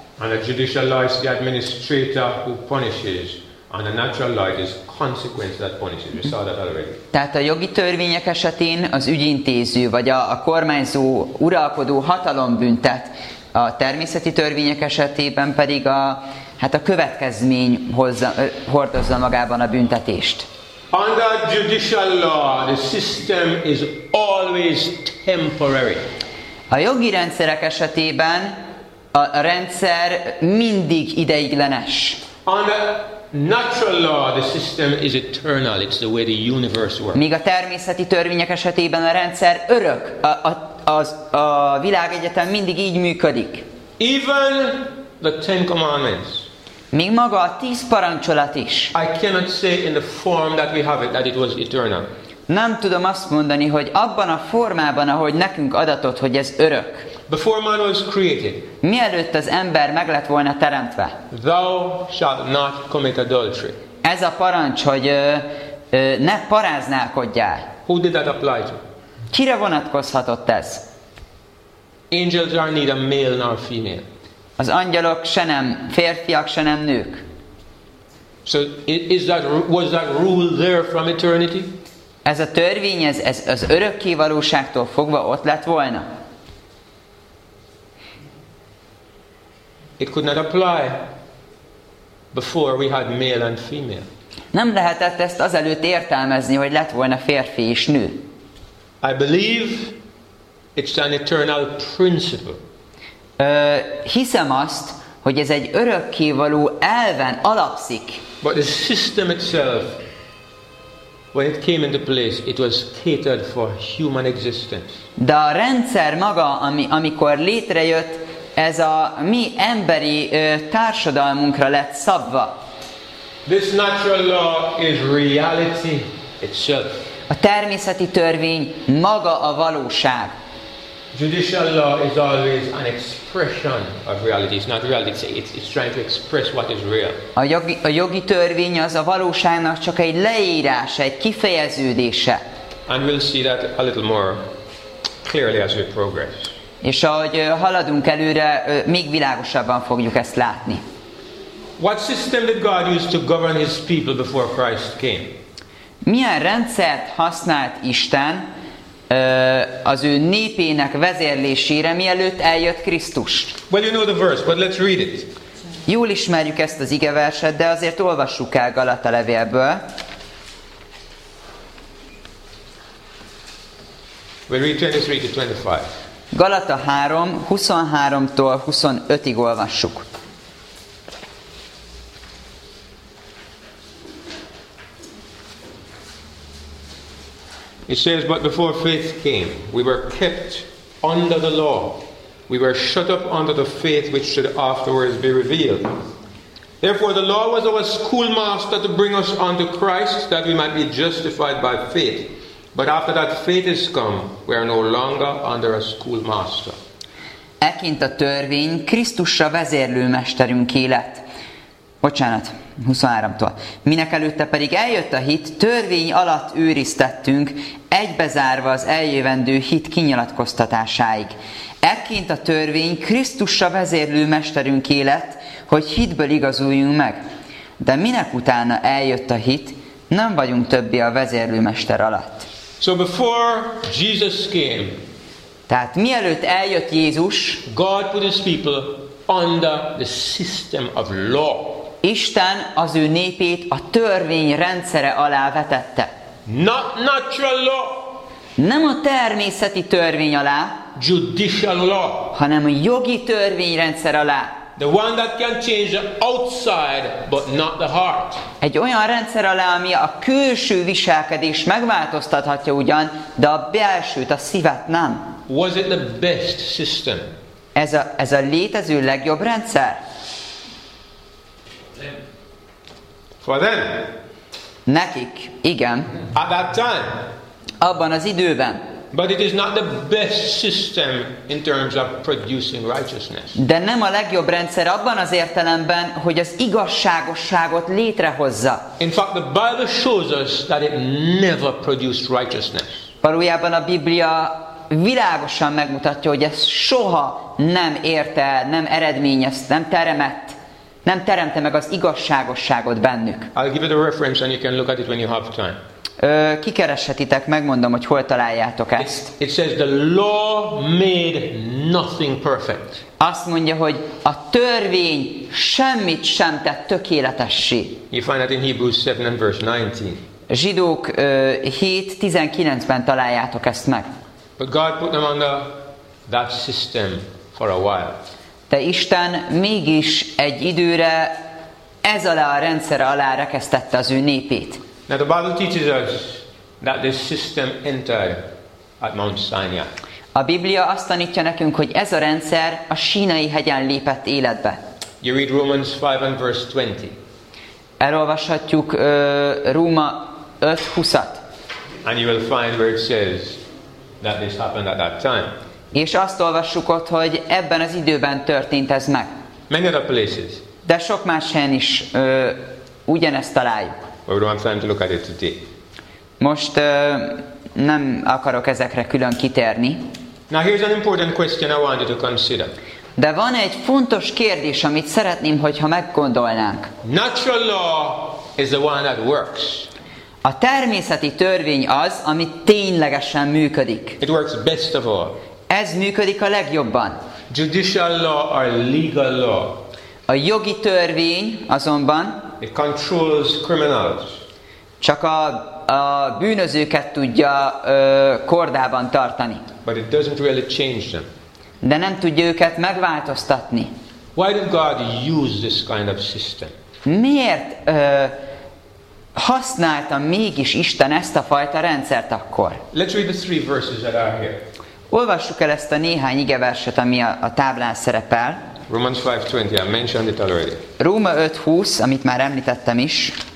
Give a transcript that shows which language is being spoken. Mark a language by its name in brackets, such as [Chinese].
[English] Under judicial law, it's the administrator who punishes. Under natural law, it is consequence that punishes. We saw that already. [Hungarian] Tehát a jogi törvények esetén az ügyintéző vagy a kormányzó, uralkodó hatalom büntet. A természeti törvények esetében pedig a következmény hordozza magában a büntetést. [English] Under judicial law, the system is always temporary. [Hungarian] A jogi rendszerek esetében a rendszer mindig ideiglenes. [English] Under natural law, the system is eternal. It's the way the universe works. [Hungarian] Míg a természeti törvények esetében a rendszer örök. A világegyetem mindig így működik. [English] Even the Ten Commandments. [Hungarian] Míg maga a tíz parancsolat is. [English] I cannot say in the form that we have it that it was eternal. [Hungarian] Nem tudom azt mondani, hogy abban a formában, ahogy nekünk adatott, hogy ez örök. [English] Before man was created. [Hungarian] Mielőtt az ember meg lett volna teremtve. [English] Thou shalt not commit adultery. [Hungarian] Ez a parancs, hogy ne paráználkodjál. [English] Who did that apply to? [Hungarian] Kire vonatkozhatott ez? [English] Angels are neither male nor female. [Hungarian] Az angyalok se nem férfiak, se nem nők. [English] So is that, was that rule there from eternity? [Hungarian] Ez a törvény, ez az örökké valóságtól fogva ott lett volna. [English] It could not apply before we had male and female. [Hungarian] Nem lehetett ezt azelőtt értelmezni, hogy lett volna férfi és nő. [English] I believe it's an eternal principle. [Hungarian] Hiszem azt, hogy ez egy örökké való elven alapszik. [English] But the system itself, when it came into place, it was catered for human existence. [Hungarian] De a rendszer maga, amikor létrejött, ez a mi emberi társadalmunkra lett szabva. [English] This natural law is reality itself. [Hungarian] A természeti törvény maga a valóság. [English] Judicial law is always an expression of reality. It's not reality. It's trying to express what is real. [Hungarian] A jogi törvény az a valóságnak csak egy leírása, egy kifejeződése. [English] And we'll see that a little more clearly as we progress. [Hungarian] És ahogy haladunk előre, még világosabban fogjuk ezt látni. [English] What system did God use to govern His people before Christ came? [Hungarian] Milyen rendszert használt Isten az ő népének vezérlésére, mielőtt eljött Krisztus? [English] Well, you know the verse, but let's read it. [Hungarian] Jól ismerjük ezt az igeverset, de azért olvassuk el Galata levélből. [English] We'll read 23 to 25. [Hungarian] Galata 3, 23-tól 25-ig olvassuk. [English] It says, but before faith came, we were kept under the law, We were shut up under the faith which should afterwards be revealed. Therefore the law was our schoolmaster to bring us unto Christ, that we might be justified by faith. But after that faith is come, we are no longer under a schoolmaster. [Hungarian] Eként a törvény Krisztussal vezérlőmesterünké lett. Bocsánat, 23-tól. Minek előtte pedig eljött a hit, törvény alatt őriztettünk, egybezárva az eljövendő hit kinyilatkoztatásáig. Ekként a törvény Krisztussal vezérlőmesterünké lett, hogy hitből igazuljunk meg. De minek utána eljött a hit, nem vagyunk többi a vezérlőmester alatt. [English] So before Jesus came, [Hungarian] tehát mielőtt eljött Jézus, [English] God put his people under the system of law. [Hungarian] Isten az ő népét a törvény rendszere alá vetette. [English] Not natural law. [Hungarian] Nem a természeti törvény alá, [English] judicial law, [Hungarian] hanem a jogi törvényrendszer alá. [English] The one that can change the outside, but not the heart. [Hungarian] Egy olyan rendszer alá, ami a külső viselkedés megváltoztathatja ugyan, de a belsőt, a szívet nem. [English] Was it the best system? [Hungarian] Ez a létező legjobb rendszer? [English] For them. [Hungarian] Nekik, igen. [English] At that time. [Hungarian] Abban az időben. [English] But it is not the best system in terms of producing righteousness. [Hungarian] De nem a legjobb rendszer abban az értelemben, hogy az igazságosságot létrehozza. [English] In fact, the Bible shows us that it never produced righteousness. [Hungarian] Valójában a Biblia világosan megmutatja, hogy ez soha nem érte, nem eredményezte, nem teremte meg az igazságosságot bennük. [English] I'll give you the reference and you can look at it when you have time. [Hungarian] Kikereshetitek, megmondom, hogy hol találjátok ezt. [English] It says the law made nothing perfect. [Hungarian] Azt mondja, hogy a törvény semmit sem tett tökéletessé. [English] You find that in Hebrews 7 and verse 19. [Hungarian] Zsidók 7:19-ben találjátok ezt meg. [English] But God put them under that system for a while. [Hungarian] De Isten mégis egy időre ez alá a rendszer alá rekesztette az ő népét. [English] Now the Bible teaches us that this system entered at Mount Sinai. [Hungarian] A Biblia azt tanítja nekünk, hogy ez a rendszer a Sínai hegyen lépett életbe. [English] You read Romans 5 and verse 20. [Hungarian] Elolvashatjuk Róma 5:20-at. [English] And you will find where it says that this happened at that time. [Hungarian] És azt olvassuk ott, hogy ebben az időben történt ez meg. [English] Many other places. [Hungarian] De sok más helyen is ugyanezt találjuk. [English] But we don't have time to look at it today. [Hungarian] Most nem akarok ezekre külön kitérni. [English] Now here's an important question I want you to consider. [Hungarian] De van egy fontos kérdés, amit szeretném, hogyha meggondolnánk. [English] Natural law is the one that works. [Hungarian] A természeti törvény az, ami ténylegesen működik. [English] It works best of all. [Hungarian] Ez működik a legjobban. [English] Judicial law or legal law. [Hungarian] A jogi törvény azonban [English] it controls criminals. [Hungarian] Csak a bűnözőket tudja kordában tartani. [English] But it doesn't really change them. [Hungarian] De nem tudja őket megváltoztatni. [English] Why did God use this kind of system? [Hungarian] Miért használta mégis Isten ezt a fajta rendszert akkor? [English] Let's read the three verses that are here. [Hungarian] Olvassuk el ezt a néhány igeverset, ami a táblán szerepel. [English] Romans 5:20, I mentioned it already. [Hungarian] Róma 5:20, amit már említettem is.